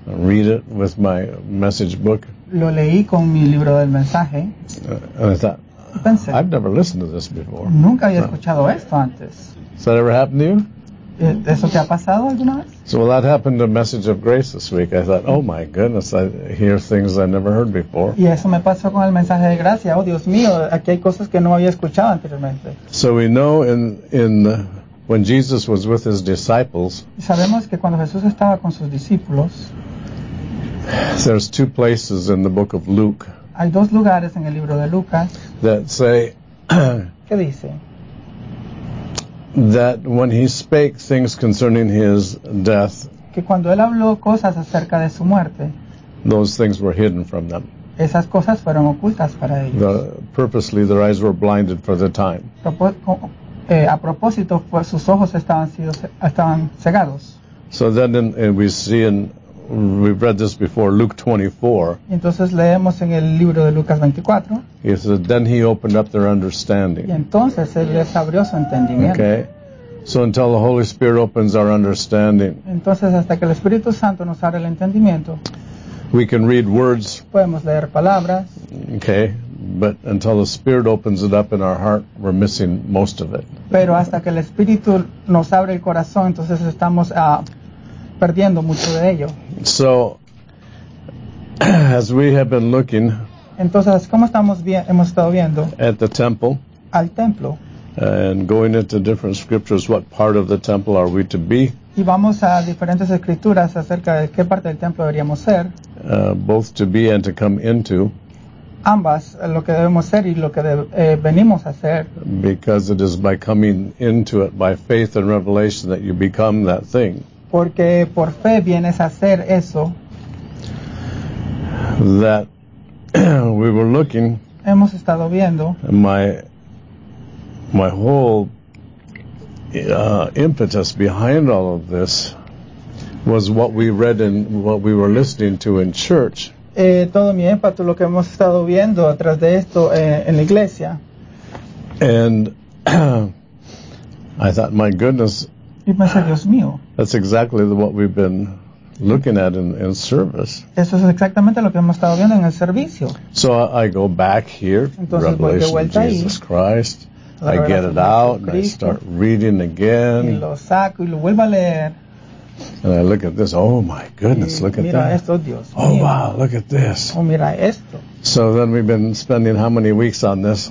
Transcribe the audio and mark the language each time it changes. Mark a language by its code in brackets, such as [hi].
[en] Read it with my message book. [es] Lo leí con mi libro del mensaje. [en] And I thought, [es] pensé, [en] I've never listened to this before. [es] Nunca había escuchado esto antes. [en] Has that ever happened to you? [es] ¿Eso te ha pasado alguna vez? [en] So well, that happened to Message of Grace this week. I thought, oh my goodness, I hear things I never heard before. [es] Y eso me pasó con el mensaje de gracia. Oh, Dios mío, aquí hay cosas que no había escuchado anteriormente. [en] So we know when Jesus was with his disciples. [es] Sabemos que cuando Jesús estaba con sus discípulos. [en] There's two places in the book of Luke. [es] Hay dos lugares en el libro de Lucas. [en] That say. [es] ¿Qué dice? [en] That when he spake things concerning his death, [es] que cuando él habló cosas acerca de su muerte, [en] those things were hidden from them. [es] Esas cosas fueron ocultas para ellos. [en] Purposely, their eyes were blinded for the time. [es] A propósito, pues, sus ojos estaban cegados. [en] So then we see in we've read this before, Luke 24. [es] Entonces leemos en el libro de Lucas 24. [en] He says, then he opened up their understanding. [es] Y entonces él les abrió su entendimiento. [en] Okay. So until the Holy Spirit opens our understanding. [es] Entonces hasta que el Espíritu Santo nos abre el entendimiento. [en] We can read words. [es] Podemos leer palabras. [en] Okay. But until the Spirit opens it up in our heart, we're missing most of it. [es] Pero hasta que el Espíritu nos abre el corazón, entonces estamos perdiendo mucho de ello. [en] So, as we have been looking, [es] entonces, ¿cómo estamos hemos estado viendo? [en] At the temple. [es] Al templo. [en] And going into different scriptures, what part of the temple are we to be? [es] Y vamos a diferentes escrituras acerca de qué parte del templo deberíamos ser. [en] Both to be and to come into. [es] Ambas, lo que debemos ser y lo que venimos a ser. [en] Because it is by coming into it by faith and revelation that you become that thing. [es] Porque por fe vienes a ser eso. [en] That we were looking. [es] Hemos estado viendo. [en] My whole impetus behind all of this was what we read and what we were listening to in church. [es] Todo mi ímpetu, lo que hemos estado viendo atrás de esto en la iglesia. [en] And I thought, my goodness. [es] Y pensé, Dios mío. [en] That's exactly what we've been looking at in service. [es] Eso es exactamente lo que hemos estado viendo en el servicio. [en] So I go back here, [es] entonces, [en] Revelation of Jesus Christ. I get it out, and I start reading again. [es] Y lo saco y lo vuelvo a leer. [en] And I look at this. Oh my goodness, look at that. [es] Esto, Dios mío. [en] Oh wow, look at this. [es] Oh, mira esto. [en] So then we've been spending how many weeks on this?